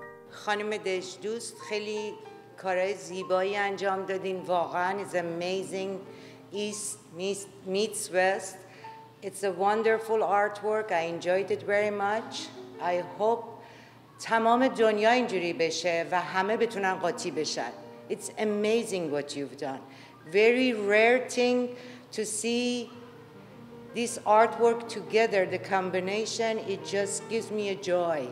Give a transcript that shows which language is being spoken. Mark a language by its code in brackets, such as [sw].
[fa] خانم دژدوس خیلی کارهای زیبایی انجام دادین، واقعا [en] it's amazing. East meets West, it's a wonderful artwork. I enjoyed it very much. I hope [fa] تمام دنیا اینجوری بشه و همه بتونن قاطی بشن. [en] It's amazing what you've done. Very rare thing to see this artwork together, the combination, it just gives me a joy.